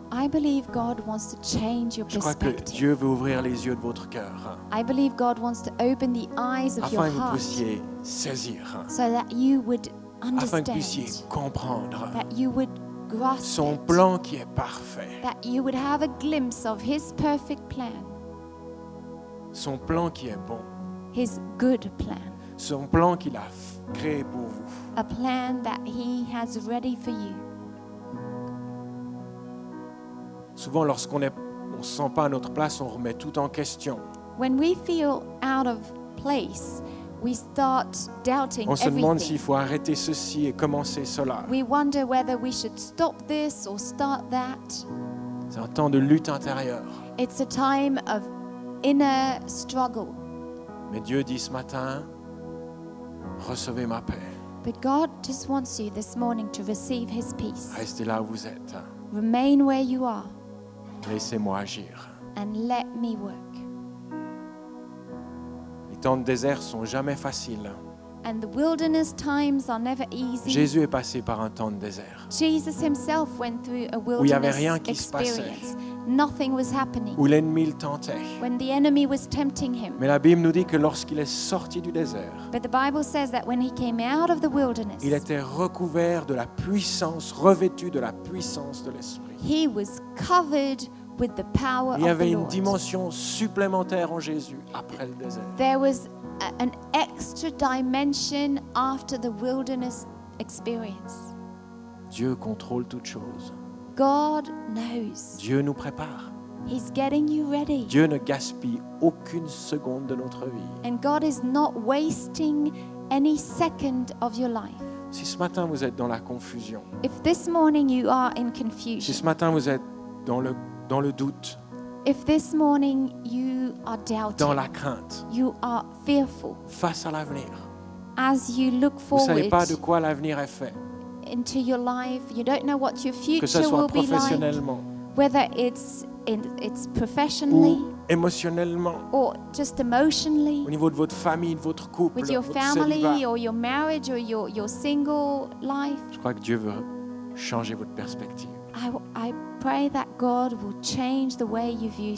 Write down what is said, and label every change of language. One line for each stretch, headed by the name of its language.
English: I believe God wants to change your perspective.
French: Je crois que Dieu veut ouvrir les yeux de votre cœur.
English: I believe God wants to open the eyes of your heart.
French: Afin que vous puissiez saisir.
English: So that you would understand.
French: Afin que vous puissiez comprendre.
English: That you would grasp.
French: Son plan qui est parfait.
English: That you would have a glimpse of His perfect plan.
French: Son plan qui est bon.
English: His good plan.
French: Son plan qu'il a créé pour vous.
English: A plan that He has ready for you.
French: Souvent, lorsqu'on ne se sent pas à notre place, on remet tout en question.
English: When we feel out of place, we start doubting
French: on se demande
English: everything.
French: S'il faut arrêter ceci et commencer cela.
English: We wonder whether we should stop this or start that.
French: C'est un temps de lutte intérieure.
English: It's a time of inner struggle.
French: Mais Dieu dit ce matin, recevez ma paix.
English: But God just wants you this morning to receive His peace.
French: Restez là où vous êtes.
English: Remain where you are.
French: Laissez-moi agir.
English: And let me work.
French: Les temps de désert sont jamais faciles.
English: And the wilderness times are never easy.
French: Jésus est passé par un temps de désert.
English: Jesus himself went through a wilderness.
French: Où il n'y avait rien qui se passait.
English: Nothing was happening.
French: Où l'ennemi le tentait.
English: When the enemy was tempting him.
French: Mais la Bible nous dit que lorsqu'il est sorti du désert.
English: But the Bible says that when he came out of the wilderness.
French: Il était recouvert de la puissance, revêtu de la puissance de l'Esprit.
English: He was covered with the power of the
French: Il y avait une dimension supplémentaire en Jésus après le désert.
English: There was an extra dimension after the wilderness experience.
French: Dieu contrôle toutes choses.
English: God knows.
French: Dieu nous prépare.
English: He's getting you ready.
French: Dieu ne gaspille aucune seconde de notre vie.
English: And God is not wasting any second of your life.
French: Si ce matin vous êtes dans la confusion.
English: If this morning you are in confusion.
French: Si ce matin vous êtes dans le doute.
English: If this morning you are doubting.
French: Dans la crainte.
English: You are fearful.
French: Face à l'avenir.
English: As you look forward.
French: Vous savez pas de quoi l'avenir est fait.
English: Into your life, you don't know what your future will be like. Whether it's professionally,
French: ou émotionnellement,
English: or just emotionally,
French: au niveau de votre famille, de votre couple,
English: with your family
French: célibat.
English: Or your marriage or your single life.
French: Je crois que Dieu veut changer votre perspective.
English: I pray that God will change the way you view things.